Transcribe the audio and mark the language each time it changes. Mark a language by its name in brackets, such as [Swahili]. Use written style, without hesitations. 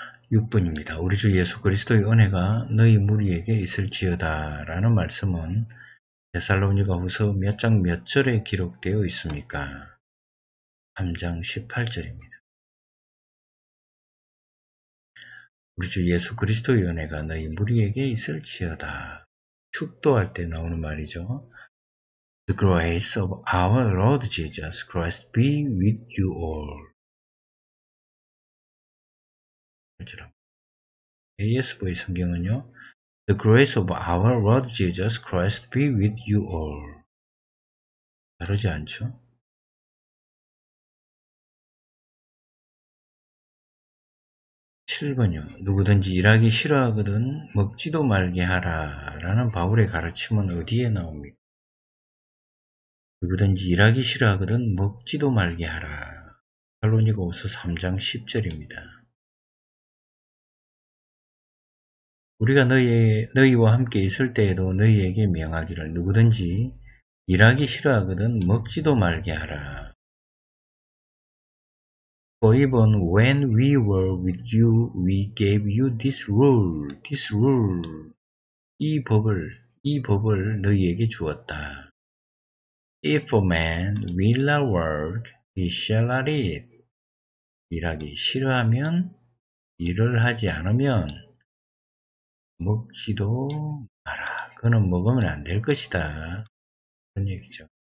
[Korean] 6번입니다. 우리 주 예수 그리스도의 은혜가 너희 무리에게 있을지어다 라는 말씀은 데살로니가 후서 몇 장 몇 절에 기록되어 있습니까? 3장 18절입니다. 우리 주 예수 그리스도의 은혜가 너희 무리에게 있을지어다. 축도할 때 나오는 말이죠. [English] The grace of our Lord Jesus Christ be with you all. [Korean] ASV 성경은요. [English] The grace of our Lord Jesus Christ be with you all. [Korean] 다르지 않죠? 7번요. 누구든지 일하기 싫어하거든 먹지도 말게 하라 라는 바울의 가르침은 어디에 나옵니까? 누구든지 일하기 싫어하거든 먹지도 말게 하라. 데살로니가후서 3장 10절입니다. 우리가 너희와 함께 있을 때에도 너희에게 명하기를 누구든지 일하기 싫어하거든 먹지도 말게 하라. [English] For even when we were with you, we gave you this rule, this rule. [Korean] 이 법을 너희에게 주었다. [English] If a man will not work, he shall not eat. [Korean] 일하기 싫어하면, 일을 하지 않으면, 먹지도 마라. 그거는 먹으면 안 될 것이다. 그런 얘기죠.